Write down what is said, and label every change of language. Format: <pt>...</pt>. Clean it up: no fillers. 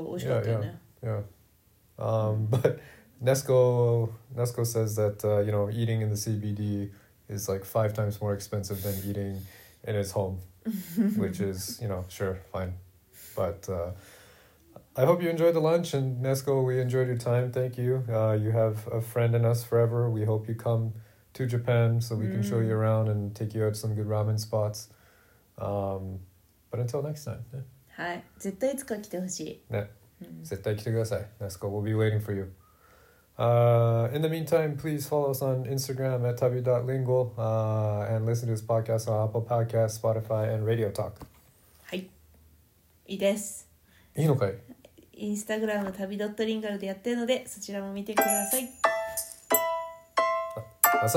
<en>But Nesco says that, you know, eating in the CBD is like 5 times more expensive than eating in his home, which is, you know, sure, fine. But I hope you enjoyed the lunch, and Nesco, we enjoyed your time. Thank you. You have a friend in us forever. We hope you come to Japan so we can show you around and take you out to some good ramen spots. But until next time.</en> <ja>はい、絶対いつか来てほしい。ね、絶対来てください。</ja> <en>Nesco, we'll be waiting for you. In the meantime, please follow us on Instagram at tabu.lingual, and listen to this podcast on Apple Podcasts, Spotify, and Radio Talk.</en> <ja>はい、いいです。いいのかい？インスタグラム旅ドットリンガルでやってるので、そちらも見てください。</ja>